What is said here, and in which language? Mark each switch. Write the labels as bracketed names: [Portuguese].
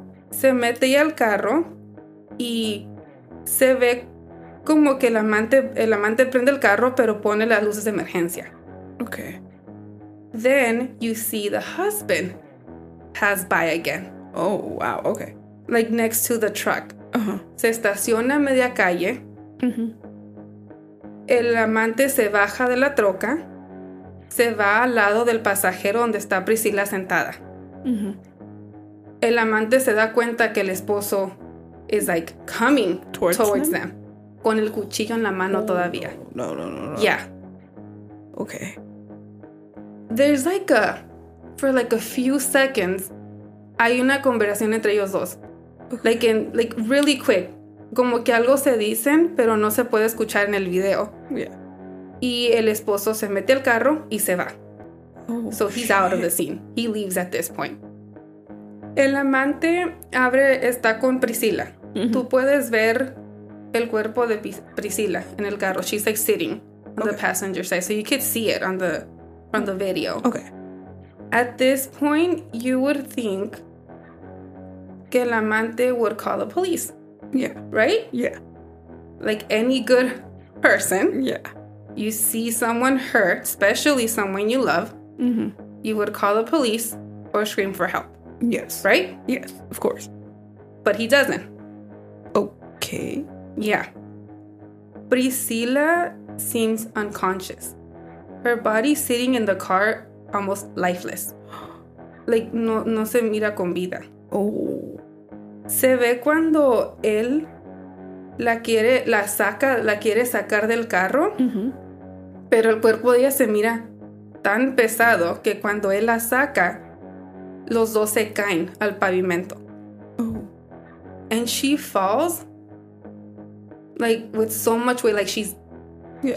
[Spanish] Se mete ya al carro y se ve como que el amante prende el carro, pero pone las luces de emergencia. [English] Okay. Then you see the husband pass by again. Oh, wow. Okay. Like, next to the truck. Uh-huh. [Spanish] Se estaciona a media calle. [English] Uh-huh. [Spanish] El amante se baja de la troca, se va al lado del pasajero donde está Priscila sentada. [English] Uh-huh. [Spanish] El amante se da cuenta que el esposo [English] is like coming towards them [Spanish] con el cuchillo en la mano. Oh, todavía. [English] No. Yeah. Okay. There's like a, for like a few seconds, [Spanish] hay una conversación entre ellos dos. [English] Okay. Like, in, like, really quick. [Spanish] Como que algo se dicen, pero no se puede escuchar en el video. [English] Yeah. [Spanish] Y el esposo se mete al carro y se va. [English] Oh, so he's shit. Out of the scene. He leaves at this point. [Spanish] El amante está con Priscila. [English] Mm-hmm. [Spanish] Tú puedes ver el cuerpo de Priscila en el carro. [English] She's, like, sitting on okay. the passenger side. So you could see it on the video. Okay. At this point, you would think [Spanish] que el amante [English] would call the police. Yeah. Right? Yeah. Like any good person. Yeah. You see someone hurt, especially someone you love. Mm-hmm. You would call the police or scream for help. Yes. Right? Yes, of course. But he doesn't. Okay. Yeah. Priscila seems unconscious. Her body sitting in the car, almost lifeless. [Spanish] Like, no se mira con vida. [English] Oh. [Spanish] Se ve cuando él la quiere sacar del carro. [English] Uh-huh. [Spanish] Pero el cuerpo de ella se mira tan pesado que cuando él la saca, los dos se caen al pavimento. [English] Oh. And she falls like with so much weight, like she's yeah.